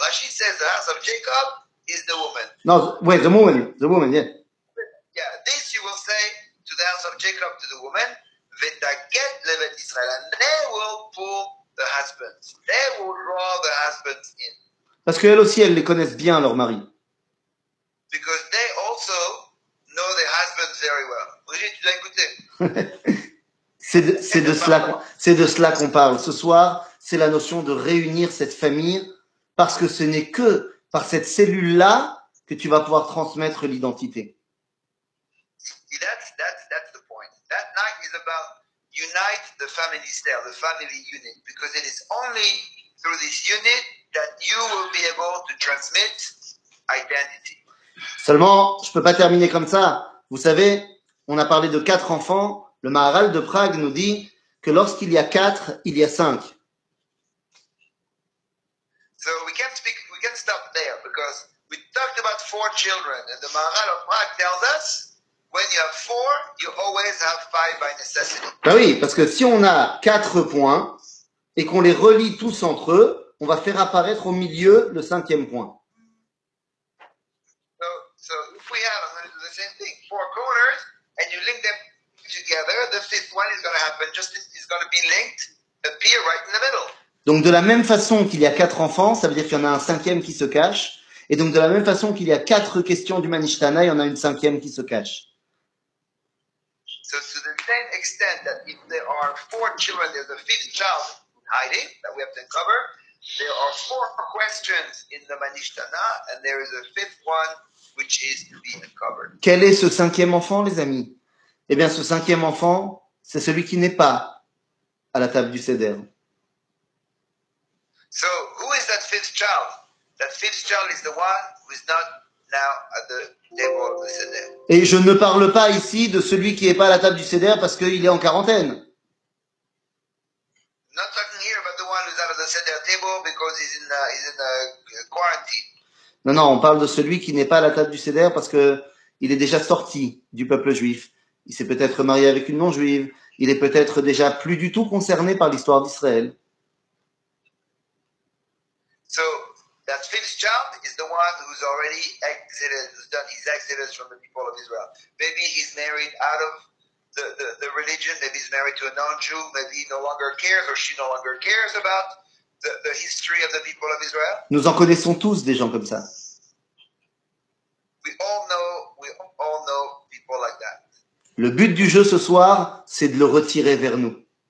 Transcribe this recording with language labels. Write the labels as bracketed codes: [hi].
[en] Rashi says the house of Jacob is the woman. No, wait, the woman, yeah. Yeah, this you will say to the house of Jacob, to the woman, [he] Vetaget levet Israel, [en] and they will pull the husbands. They will draw the husbands in. [fr] Parce qu'elles aussi, elles les connaissent bien, leur mari. [en] Because they also know their husbands very well. [fr] Brigitte, tu l'as écouté. C'est de cela qu'on parle ce soir. C'est la notion de réunir cette famille parce que ce n'est que par cette cellule-là que tu vas pouvoir transmettre l'identité. [en] That's the point. That night is about unite the family cell, the family unit, because it is only through this unit that you will be able to transmit identity. [fr] Seulement, je peux pas terminer comme ça. Vous savez, on a parlé de 4 enfants. Le Maharal de Prague nous dit que lorsqu'il y a 4, il y a 5. [en] So we can stop there because we talked about 4 children and the Maharal of Prague tells us when you have 4, you always have 5 by necessity. [fr] Ben oui, parce que si on a 4 points et qu'on les relie tous entre eux, on va faire apparaître au milieu le 5e point. [en] So if we have the same thing, 4 corners and you link them together, the fifth one is going to happen, it's going to be linked, appear right in the middle. [fr] Donc de la même façon qu'il y a 4 enfants, ça veut dire qu'il y en a un 5e qui se cache, et donc de la même façon qu'il y a 4 questions du Manishtana, il y en a une 5e qui se cache. [en] So to the same extent that if there are 4 children, there's a fifth child hiding, that we have to cover, there are 4 questions in the Manishtana, and there is a fifth one which is to be uncovered. [fr] Quel est ce 5e enfant, les amis? Eh bien, ce 5e enfant, c'est celui qui n'est pas à la table du Seder. [en] So, who is that fifth child? That fifth child is the one who is not now at the table of the Seder. [fr] Et je ne parle pas ici de celui qui n'est pas à la table du Seder parce qu'il est en quarantaine. [en] Not talking here about the one who is at the Seder table because he's in a quarantine. [fr] Non, on parle de celui qui n'est pas à la table du Seder parce qu'il est déjà sorti du peuple juif. Il s'est peut-être marié avec une non-juive. Il est peut-être déjà plus du tout concerné par l'histoire d'Israël. [en] So, that fifth child is the one who's already exited, who's done his exodus from the people of Israel. Maybe he's married out of the religion, maybe he's married to a non-Jew, maybe he no longer cares or she no longer cares about the history of the people of Israel. [fr] Nous en connaissons tous des gens comme ça. [en] We all know people like that. [fr] Le but du jeu ce soir, c'est de le retirer vers nous.